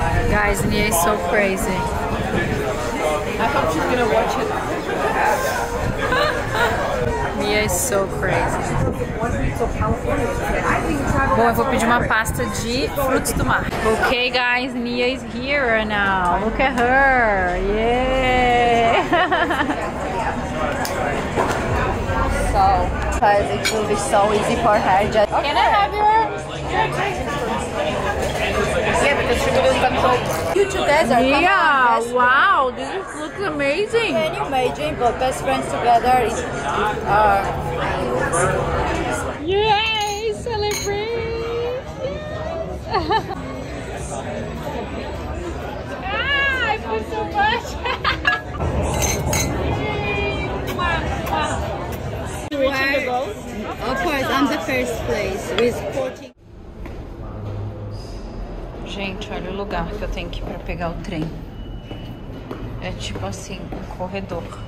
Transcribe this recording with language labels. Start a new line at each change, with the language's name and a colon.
English: Guys, Nia is so crazy. Mia is so crazy.
Portuguese: Bom, eu vou pedir uma pasta de frutos do mar.
English: Okay, guys, Mia is here now. Look at her. Yeah. So, it will be so easy for her. Just okay. Can I have your? You together, yeah, come on, wow, this looks amazing. Can you imagine, but best friends together is yay, celebrate. Yes. Ah, I put so much. Of course, I'm the first place with 14.
Portuguese: Gente, olha o lugar que eu tenho que ir pra pegar o trem. É tipo assim, um corredor.